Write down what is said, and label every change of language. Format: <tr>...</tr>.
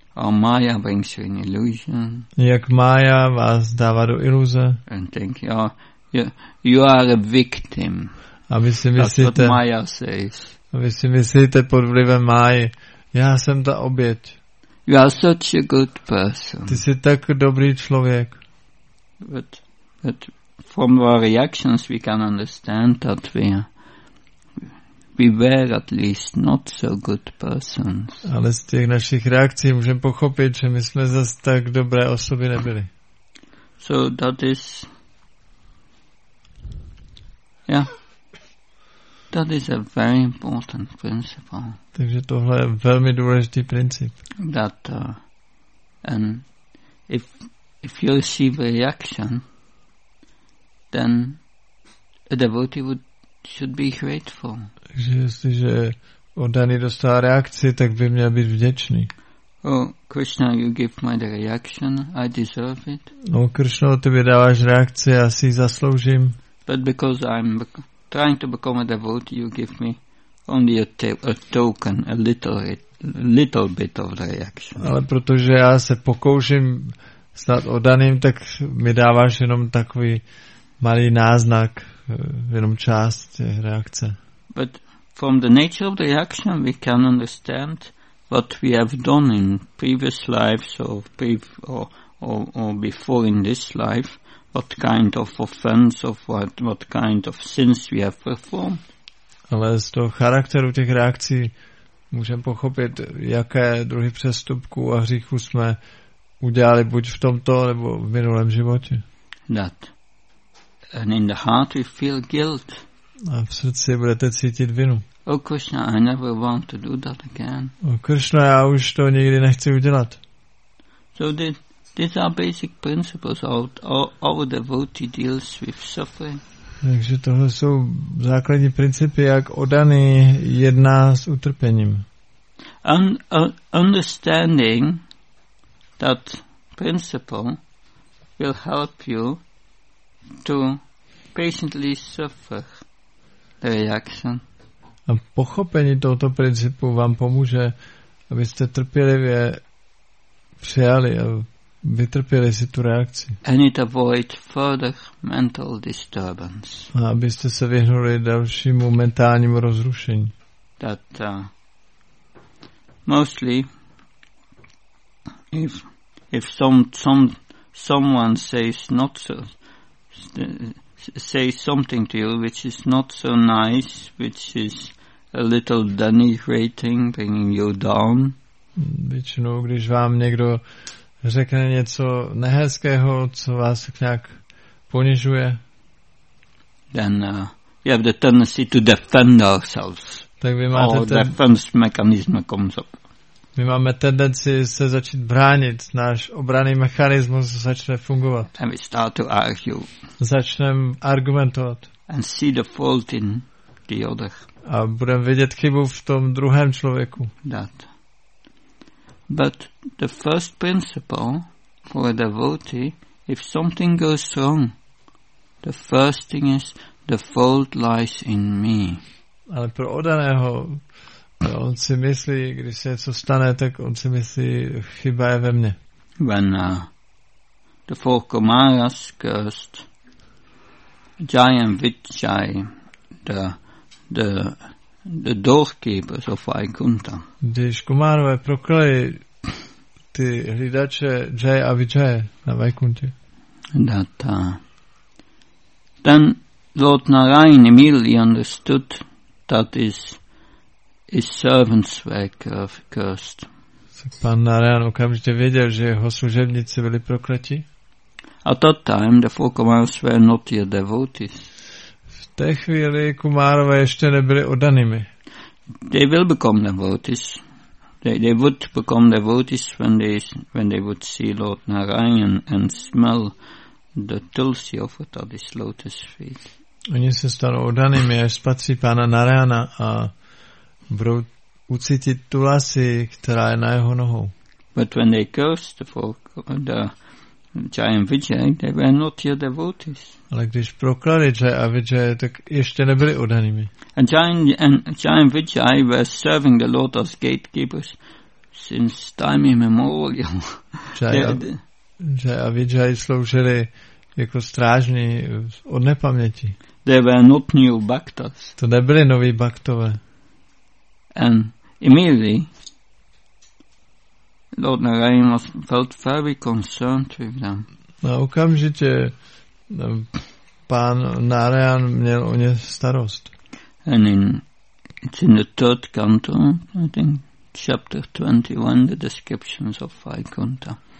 <en>How Maya brings you in illusion.</en> <cs>Jak Maya vás dává do iluze.</cs> <en>And think you are a victim.</en> <cs>A vy si myslíte,</cs> <en>what Maya says.</en> <cs>A vy si myslíte pod vlivem Máji, já jsem ta oběť.</cs> <en>You are such a good person.</en> <cs>Ty jsi tak dobrý člověk.</cs> <en>But from our reactions we can understand that we were at least not so good persons.</en> <cs>Ale z těch našich reakcí můžeme pochopit, že my jsme zase tak dobré osoby nebyli.</cs> <en>So that is... That is a very important principle.</en> <cs>Takže tohle je velmi důležitý princip.</cs> <en>That and if you receive a reaction, then a devotee should be grateful.</en> <cs>Takže jestliže oddaný dostal reakci, tak by měl být vděčný.</cs> <en>Oh, Krishna, you give me the reaction, I deserve it.</en> <cs>No, Krishna, ty mi dáváš reakci, já si ji zasloužím.</cs> <en>But because I'm trying to become a devotee, you give me only a token, a little bit of the reaction.</en> <cs>Ale protože já se pokouším stát oddaným, tak mi dáváš jenom takový malý náznak, jenom část těch reakce.</cs> <en>But from the nature of the reaction, we can understand what we have done in previous lives or before in this life. What kind of offense of what kind of sins we have performed.</en> <cs>Ale z toho charakteru těch reakcí můžeme pochopit, jaké druhy přestupků a hříchů jsme udělali buď v tomto nebo v minulém životě.</cs> <en>That. And in the heart we feel guilt.</en> <cs>A v srdci budete cítit vinu.</cs> <en>Oh Krishna, I never want to do that again.</en> <cs>Oh Krishna, já už to nikdy nechci udělat.</cs> <en>So did. These are basic principles our devotee deals with suffering.</en> <cs>Takže tohle jsou základní principy, jak oddaný jedná s utrpením.</cs> <en>Understanding that principle will help you to patiently suffer the reaction.</en> <cs>A pochopení tohoto principu vám pomůže, abyste trpělivě přijali a vytrpěli si tu reakci.</cs> <en>And it avoids further mental disturbance.</en> <cs>A abyste se vyhnuli dalšímu mentálnímu rozrušení.</cs> <en>That mostly if someone says something to you which is not so nice, which is a little denigrating, bringing you down.</en> <cs>Většinou, když vám někdo řekne něco nehezkého, co vás nějak ponižuje.</cs> <en>Then we have the tendency to defend ourselves.</en> <cs>Tak vy máte</cs> <en>defense mechanism comes up.</en> <cs>My máme tendenci se začít bránit, náš obranný mechanismus začne fungovat.</cs> <en>And we start to argue.</en> <cs>Začneme argumentovat.</cs> <en>And see the fault in the other.</en> <cs>A budeme vidět chybu v tom druhém člověku.</cs> <en>That. But the first principle for a devotee, if something goes wrong, the first thing is the fault lies in me.</en> <cs>Ale pro oddaného, on si myslí, když se něco stane, tak on si myslí, chyba je ve mně.</cs> <en>When the four Kumaras cursed Jayam Vichai, the doorkeeper of Vaikuntha.</en> <cs>Když Kumarové proklali ty hlídače Jay a Vijay na Vaikunthě.</cs> <en>Data. Then Lord Narayan immediately understood that his servants were cursed.</en> <cs>Pan Narayan okamžitě věděl, že jeho služebníci byli prokleti.</cs> <en>At that time the four Kumaras were not yet devotees.</en> <cs>V té chvíli Kumarové ještě nebyli oddanými.</cs> <en>They will become devotees. They would become devotees when they would see Lord Narayan and smell the tulsi offered at his lotus feet.</en> <cs>Oni se stanou oddanými, až spatří pána Narayana a budou ucítit tulasi, která je na jeho nohou.</cs> <en>But when they cursed the Jayan Vijay, they were not yet devotees.</en> <cs>Ale když proklali Jay a Vijay, tak ještě nebyli oddanými.</cs> <en>And Jayan Vijay were serving the Lord as gatekeepers since time immemorial.</en> <cs>Jay a Vijay sloužili jako strážní od nepaměti.</cs> <en>They were not new bhaktas.</en> <cs>To nebyli noví bhaktové.</cs> <en>And immediately Lord Narayan felt very concerned with them.</en> <cs>A okamžitě pán Narayan měl o ně starost.</cs> <en>And it's in the third canto, I think, chapter 21, the descriptions of Vaikuntha.</en>